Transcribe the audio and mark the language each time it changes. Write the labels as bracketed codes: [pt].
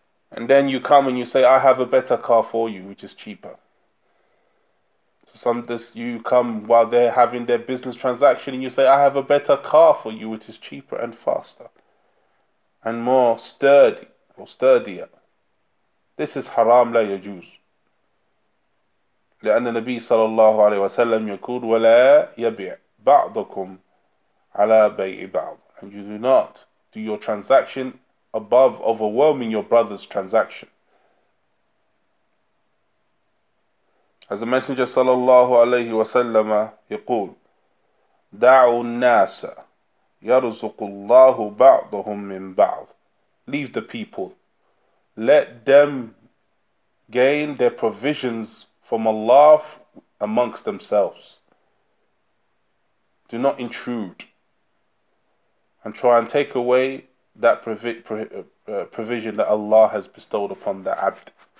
[en] And then you come and you say, I have a better car for you, which is cheaper. So some this you come while they're having their business transaction and you say, I have a better car for you, which is cheaper and faster and more sturdy or sturdier. This is haram, [ar] la yajuz. لأن النبي صلى الله عليه وسلم يقول ولا يبيع بعضكم على بيع بعض. [en] And you do not do your transaction above overwhelming your brother's transaction. As the Messenger [ar] صلى الله عليه وسلم يقول دعوا الناس يرزق الله بعضهم من بعض. [en] Leave the people. Let them gain their provisions from Allah amongst themselves. Do not intrude and try and take away that provision that Allah has bestowed upon the abd.